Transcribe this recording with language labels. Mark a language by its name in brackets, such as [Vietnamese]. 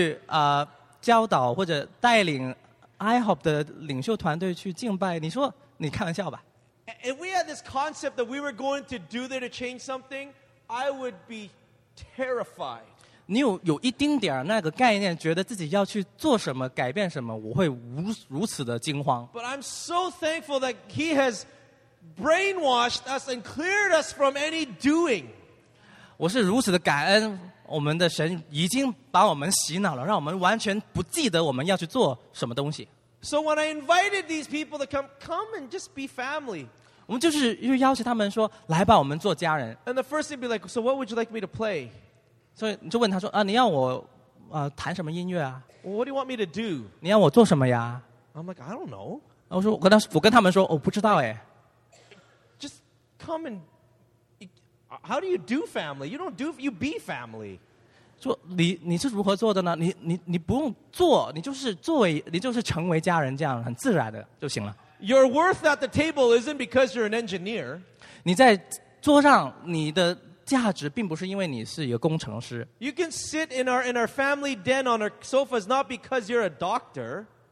[Chinese] 你说你要去教导或者带领 IHOP 的领袖团队去敬拜，你说你开玩笑吧？ [English] If we had this concept that we were going to do there to change something, I would be terrified. [Chinese] 你有一丁点那个概念，觉得自己要去做什么，改变什么，我会如此的惊慌。 [English] But I'm so thankful that he has brainwashed us and cleared us from any doing. [Chinese] 我是如此的感恩，我们的神已经把我们洗脑了，让我们完全不记得我们要去做什么东西。 [English] So when I invited these people to come and just be family. [Chinese] 我们就是又邀请他们说，来吧，我们做家人。 [English] And the first thing be like, so what would you like me to play? [Chinese] 所以你就问他说，你要我弹什么音乐啊？ [English] What do you want me to do? [Chinese] 你要我做什么呀？ [English] I'm like, I don't know. [Chinese] 我跟他们说，我不知道哎。 [English] Just come and, how do you do family? You don't do, you be family. [Chinese] 说你是如何做的呢？你不用做，你就是成为家人这样，很自然的就行了。 [English] Your worth at the table isn't because you're an engineer. [Chinese] 你在桌上，你的价值并不是因为你是一个工程师。 [English] You can sit in our family den on our sofas not because you're a doctor.